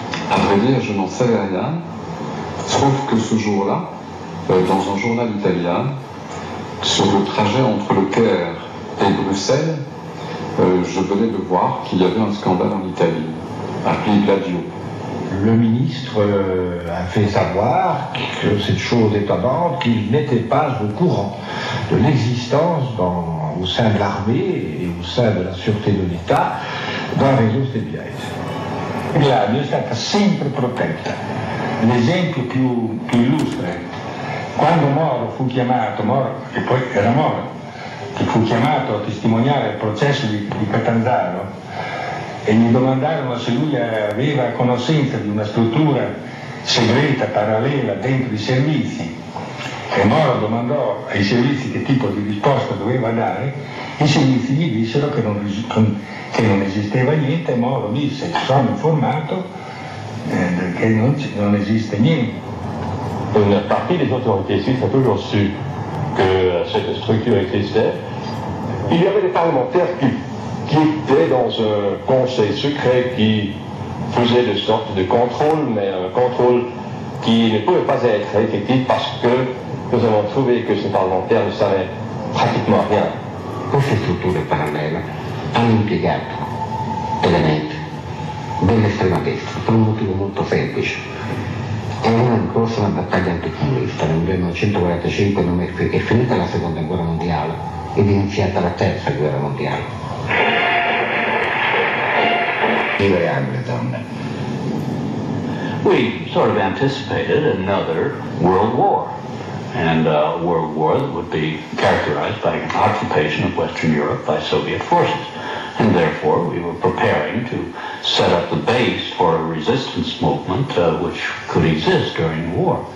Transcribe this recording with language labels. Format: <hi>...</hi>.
<fr>À vrai dire, je n'en savais rien, sauf que ce jour-là, dans un journal italien, sur le trajet entre le Caire et Bruxelles, je venais de voir qu'il y avait un scandale en Italie, appelé Gladio. Le ministre a fait savoir que cette chose étonnante, qu'il n'était pas au courant de l'existence au sein de l'armée et au sein de la sûreté de l'État d'un réseau CBS.</fr> <it>Gladio è stata sempre protetta. L'esempio più illustre. Quando Moro fu chiamato, Moro, che poi era Moro, a testimoniare il processo di Catanzaro, e gli domandarono se lui aveva conoscenza di una struttura segreta, parallela, dentro i servizi, e Moro domandò ai servizi che tipo di risposta doveva dare, i servizi gli dissero che non esisteva niente, e Moro disse, sono informato che non esiste niente.</it> <fr>Une partie des autorités suisses a toujours su que cette structure existait. Il y avait des parlementaires qui étaient dans un conseil secret qui faisait de sorte de contrôle, mais un contrôle qui ne pouvait pas être effectif parce que nous avons trouvé que ces parlementaires ne savaient pratiquement rien.</fr> <it>Queste strutture parallele hanno impiegato elementi dell'estrema destra per un motivo molto semplice. Era in corso una battaglia anticomunista nel 1945, è finita la seconda guerra mondiale ed è iniziata la terza guerra mondiale. 2 anni, donna.</it> <en>We sort of anticipated another world war, and a world war that would be characterized by an occupation of Western Europe by Soviet forces. And therefore, we were preparing to set up the base for a resistance movement which could exist during the war.</en>